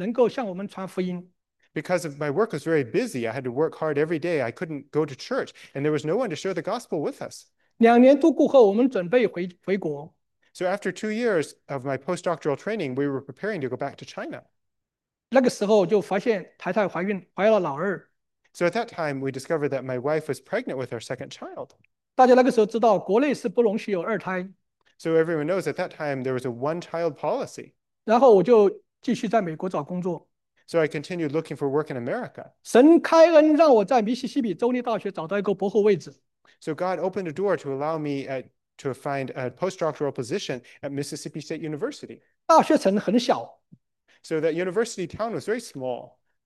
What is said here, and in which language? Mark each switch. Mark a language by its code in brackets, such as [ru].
[zh] 因做工作整天忙碼,已不能接触教會,已沒有人能夠向我們傳福音。 [en] Because of my work was very busy, I had to work hard every day. I couldn't go to church, and there was no one to share the gospel with us. [zh] 2年度過後我們準備回國。 [en] So after 2 years of my postdoctoral training, we were preparing to go back to China. [zh] 那個時候就發現太太懷孕,懷了老二。 [en] So at that time, we discovered that my wife was pregnant with our second child. [zh] 大家那個時候知道國內是不容許有二胎。 [en] So everyone knows at that time there was a one-child policy. [zh] 然后我就继续在美国找工作。 [en] So I continued looking for work in America. [zh] 神开恩让我在密西西比州立大学找到一个博后位置。 [en] So God opened a door to allow me to find a postdoctoral position at Mississippi State University. [zh] 大学城很小。 [en] So that university town was very small.